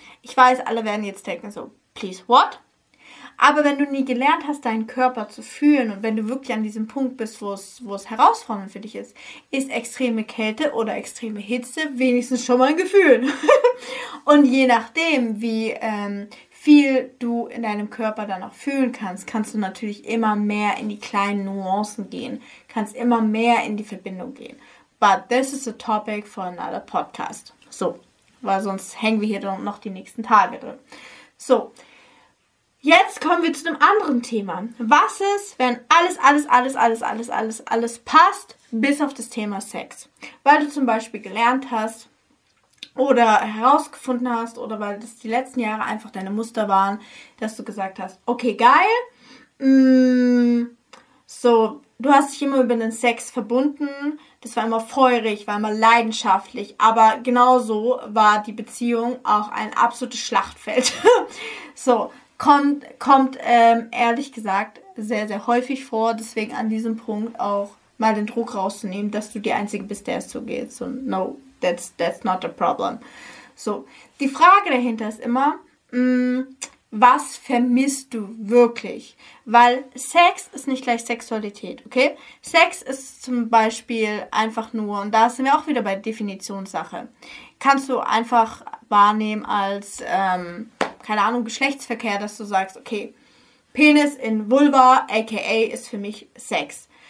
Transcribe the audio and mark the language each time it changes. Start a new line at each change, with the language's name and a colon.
German: Ich weiß, alle werden jetzt denken so,
English: please what?
German: Aber wenn du nie gelernt hast, deinen Körper zu fühlen und wenn du wirklich an diesem Punkt bist, wo es herausfordernd für dich ist, ist extreme Kälte oder extreme Hitze wenigstens schon mal ein Gefühl. Und je nachdem, wie viel du in deinem Körper dann auch fühlen kannst, kannst du natürlich immer mehr in die kleinen Nuancen gehen, kannst immer mehr in die Verbindung gehen.
English: But this is a topic for another podcast.
German: So, weil sonst hängen wir hier noch die nächsten Tage drin. So, jetzt kommen wir zu einem anderen Thema. Was ist, wenn alles passt, bis auf das Thema Sex? Weil du zum Beispiel gelernt hast oder herausgefunden hast oder weil das die letzten Jahre einfach deine Muster waren, dass du gesagt hast, okay, geil, du hast dich immer über den Sex verbunden, das war immer feurig, war immer leidenschaftlich, aber genauso war die Beziehung auch ein absolutes Schlachtfeld. So, kommt ehrlich gesagt sehr, sehr häufig vor, deswegen an diesem Punkt auch mal den Druck rauszunehmen, dass du die Einzige bist, der es so geht.
English: So, no, that's not a problem.
German: So, die Frage dahinter ist immer, was vermisst du wirklich? Weil Sex ist nicht gleich Sexualität, okay? Sex ist zum Beispiel einfach nur, und da sind wir auch wieder bei Definitionssache, kannst du einfach wahrnehmen als, keine Ahnung, Geschlechtsverkehr, dass du sagst, okay, Penis in Vulva, aka, ist für mich Sex.